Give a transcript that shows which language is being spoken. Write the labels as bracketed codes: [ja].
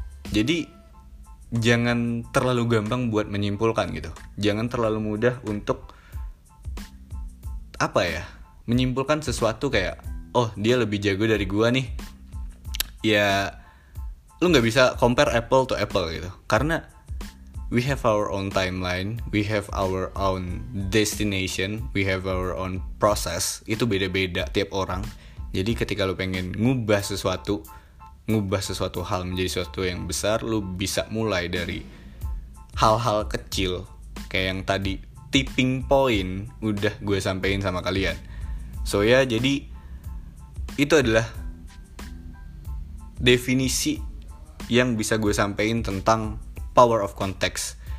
[id] Jadi jangan terlalu gampang buat menyimpulkan gitu. Jangan terlalu mudah untuk apa ya, menyimpulkan sesuatu kayak oh dia lebih jago dari gua nih. Ya lu gak bisa [en] compare apple to apple [id] gitu. Karena [en] we have our own timeline, we have our own destination, we have our own process. [id] Itu beda-beda tiap orang. Jadi ketika lu pengen ngubah sesuatu hal menjadi sesuatu yang besar, lu bisa mulai dari hal-hal kecil. Kayak yang tadi, tipping point udah gue sampein sama kalian. So ya, jadi itu adalah definisi yang bisa gue sampein tentang power of context.